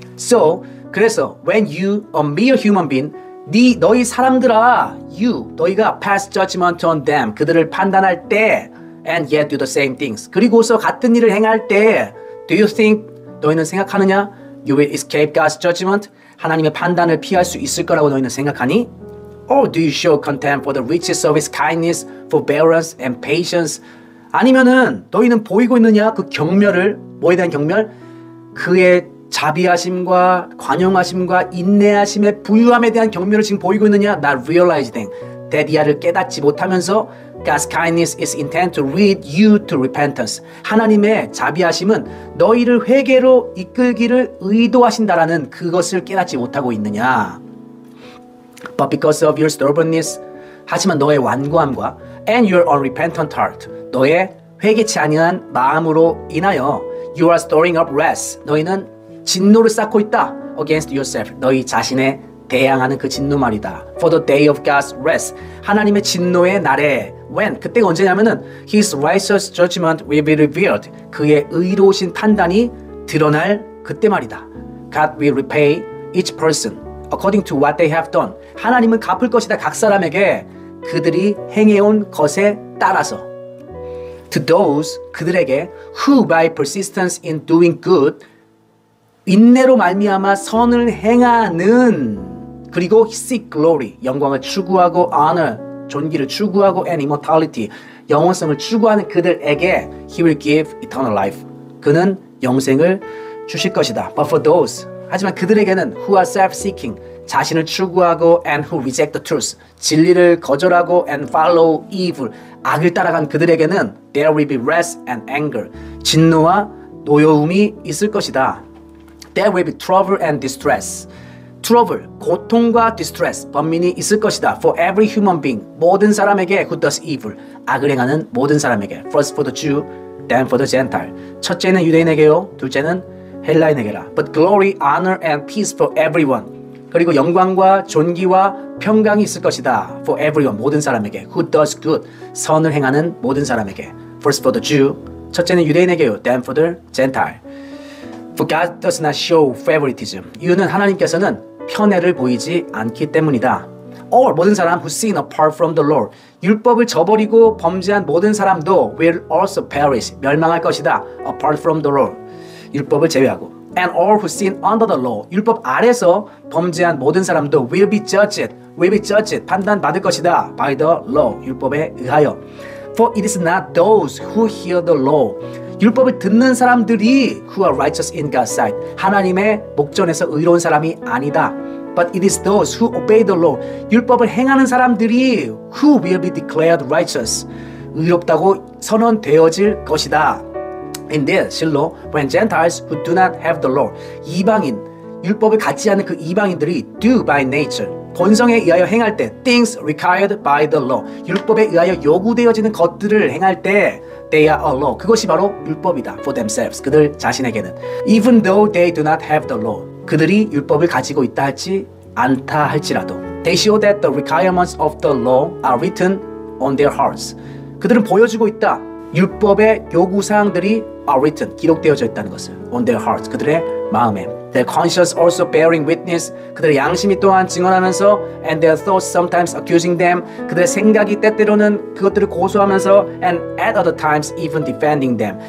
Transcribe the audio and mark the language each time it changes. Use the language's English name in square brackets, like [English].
[English] So, [Korean] 그래서 [English] when you, a mere human being, [Korean] 네, 너희 사람들아, [English] you, [Korean] 너희가 [English] pass judgment on them. [Korean] 그들을 판단할 때 [English] and yet do the same things. [Korean] 그리고서 같은 일을 행할 때 [English] do you think [Korean] 너희는 생각하느냐? [English] You will escape God's judgment. [Korean] 하나님의 판단을 피할 수 있을 거라고 너희는 생각하니? [English] Or do you show contempt for the riches of His kindness, forbearance, and patience? [Korean] 아니면은 너희는 보이고 있느냐? 그 경멸을, 뭐에 대한 경멸? 그의 자비하심과 관용하심과 인내하심의 부유함에 대한 경멸을 지금 보이고 있느냐? [English] Not realizing. [Korean] 데디아를 깨닫지 못하면서 [English] God's kindness is intended to lead you to repentance. [Korean] 하나님의 자비하심은 너희를 회개로 이끌기를 의도하신다라는 그것을 깨닫지 못하고 있느냐. [English] But because of your stubbornness, [Korean] 하지만 너의 완고함과 [English] and your unrepentant heart, [Korean] 너의 회개치 아니한 마음으로 인하여 [English] you are storing up wrath, [Korean] 너희는 진노를 쌓고 있다 [English] against yourself, [Korean] 너희 자신의 대항하는 그 진노 말이다. [English] For the day of God's wrath, [Korean] 하나님의 진노의 날에 [English] when [Korean] 그때가 언제냐면은 [English] His righteous judgment will be revealed. [Korean] 그의 의로우신 판단이 드러날 그때 말이다. [English] God will repay each person according to what they have done. [Korean] 하나님은 갚을 것이다 각 사람에게 그들이 행해온 것에 따라서. [English] To those [Korean] 그들에게 [English] who by persistence in doing good [Korean] 인내로 말미암아 선을 행하는 그리고 [English] seek glory [Korean] 영광을 추구하고 [English] honor [Korean] 존귀를 추구하고 [English] and immortality [Korean] 영원성을 추구하는 그들에게 [English] he will give eternal life [Korean] 그는 영생을 주실 것이다. [English] But for those [Korean] 하지만 그들에게는 [English] who are self-seeking [Korean] 자신을 추구하고 [English] and who reject the truth [Korean] 진리를 거절하고 [English] and follow evil [Korean] 악을 따라간 그들에게는 [English] there will be wrath and anger [Korean] 진노와 노여움이 있을 것이다. [English] There will be trouble and distress. Trouble, [Korean] 고통과 [English] distress, [Korean] 번민이 있을 것이다. [English] For every human being, [Korean] 모든 사람에게 [English] who does evil, [Korean] 악을 행하는 모든 사람에게. [English] First for the Jew, then for the Gentile. [Korean] 첫째는 유대인에게요, 둘째는 헬라인에게라. [English] But glory, honor, and peace for everyone. [Korean] 그리고 영광과 존귀와 평강이 있을 것이다. [English] For everyone, [Korean] 모든 사람에게 [English] who does good, [Korean] 선을 행하는 모든 사람에게. [English] First for the Jew, [Korean] 첫째는 유대인에게요, [English] then for the Gentile. For God does not show favoritism. [Korean] 이유는 하나님께서는 편애를 보이지 않기 때문이다. [English] All [Korean] 모든 사람 [English] who sin apart from the Lord. [Korean] 율법을 저버리고 범죄한 모든 사람도 [English] will also perish. [Korean] 멸망할 것이다. [English] Apart from the Lord. [Korean] 율법을 제외하고. [English] And all who sin under the law. [Korean] 율법 아래서 범죄한 모든 사람도 [English] will be judged. Will be judged. [Korean] 판단받을 것이다. [English] By the law. [Korean] 율법에 의하여. [English] For it is not those who hear the law. [Korean] 율법을 듣는 사람들이 [English] who are righteous in God's sight. [Korean] 하나님의 목전에서 의로운 사람이 아니다. [English] But it is those who obey the law. [Korean] 율법을 행하는 사람들이 [English] who will be declared righteous. [Korean] 의롭다고 선언되어질 것이다. [English] Indeed, [Korean] 실로, [English] when Gentiles who do not have the law. [Korean] 이방인, 율법을 갖지 않은 그 이방인들이 [English] do by nature. [Korean] 본성에 의하여 행할 때 [English] things required by the law. [Korean] 율법에 의하여 요구되어지는 것들을 행할 때 [English] They are a law. [Korean] 그것이 바로 율법이다. [English] For themselves. [Korean] 그들 자신에게는. [English] Even though they do not have the law. [Korean] 그들이 율법을 가지고 있다 할지 않다 할지라도. [English] They show that the requirements of the law are written on their hearts. [Korean] 그들은 보여주고 있다. 율법의 요구사항들이 [English] are written. [Korean] 기록되어져 있다는 것을. [English] On their hearts. [Korean] 그들의 마음에. [English] Their conscience also bearing witness. [Korean] 그들의 양심이 또한 증언하면서 [English] and their thoughts sometimes accusing them. [Korean] 그들의 생각이 때때로는 그것들을 고소하면서 [English] and at other times even defending them.